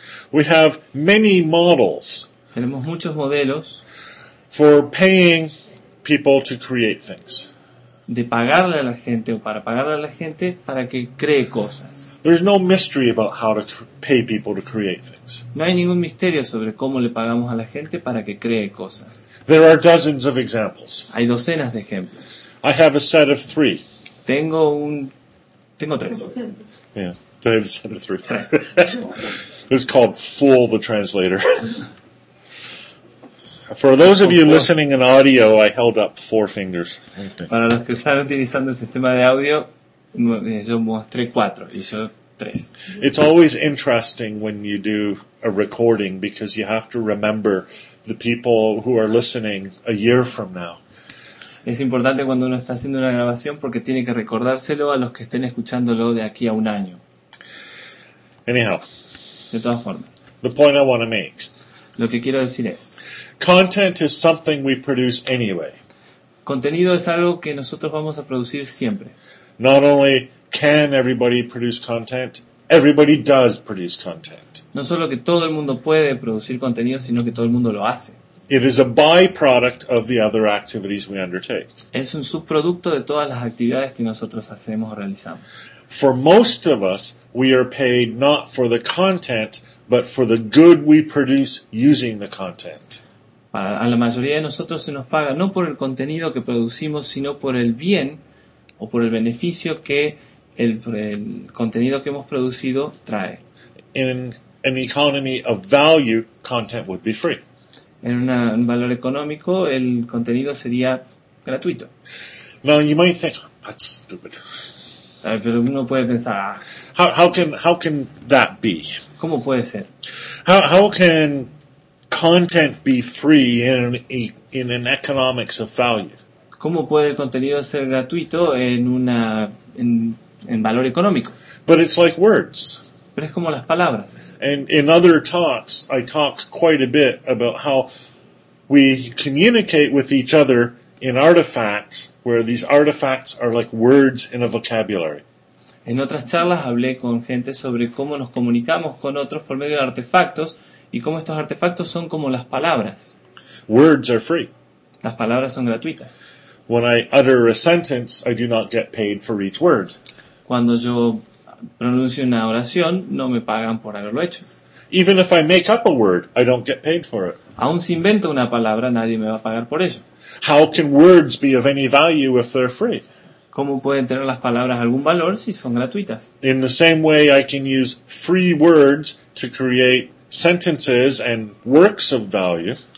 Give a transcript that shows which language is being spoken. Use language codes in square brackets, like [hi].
[en] we have many models. [es] Tenemos muchos modelos [en] for paying people to create things. [es] De pagarle a la gente o para pagarle a la gente para que cree cosas. [en] There's no mystery about how to pay people to create things. [es] No hay ningún misterio sobre cómo le pagamos a la gente para que cree cosas. [en] There are dozens of examples. [es] Hay docenas de ejemplos. [en] I have a set of three. [es] Tengo tres. [en] Yeah, I have a set of three. It's called Fool the Translator. For those of you listening in audio, I held up four fingers. Okay. [es] Para los que están utilizando el sistema de audio, yo mostré cuatro, hizo tres. [en] It's always interesting when you do a recording because you have to remember the people who are listening a year from now. [es] Es importante cuando uno está haciendo una grabación porque tiene que recordárselo a los que estén escuchándolo de aquí a un año. [en] Anyhow. [es] De todas formas. [en] The point I want to make. [es] Lo que quiero decir es. [en] Content is something we produce anyway. [es] Contenido es algo que nosotros vamos a producir siempre. [en] Not only can everybody produce content, everybody does produce content. [es] No solo que todo el mundo puede producir contenido, sino que todo el mundo lo hace. [en] It is a byproduct of the other activities we undertake. [es] Es un subproducto de todas las actividades que nosotros hacemos o realizamos. [en] For most of us, we are paid not for the content, but for the good we produce using the content. [es] A la mayoría de nosotros se nos paga no por el contenido que producimos, sino por el bien o por el beneficio que el contenido que hemos producido trae. [en] In an economy of value, content would be free. [es] En un valor económico, el contenido sería gratuito. [en] Now you might think, that's stupid. [es] Pero uno puede pensar, [en] how can that be? [es] ¿Cómo puede ser? [en] How can content be free in an economics of value? [es] ¿Cómo puede el contenido ser gratuito en valor económico? [en] But it's like words. [es] Pero es como las palabras. [en] And in other talks, I talk quite a bit about how we communicate with each other in artifacts, where these artifacts are like words in a vocabulary. [es] En otras charlas hablé con gente sobre cómo nos comunicamos con otros por medio de artefactos. Y cómo estos artefactos son como las palabras. [en] Words are free. [es] Las palabras son gratuitas. [en] When I utter a sentence, I do not get paid for each word. [es] Cuando yo pronuncio una oración, no me pagan por haberlo hecho. [en] Even if I make up a word, I don't get paid for it. [es] Aun si invento una palabra, nadie me va a pagar por ello. [en] How can words be of any value if they're free? [es] ¿Cómo pueden tener las palabras algún valor si son gratuitas? [en] In the same way, I can use free words to create sentences and works of value.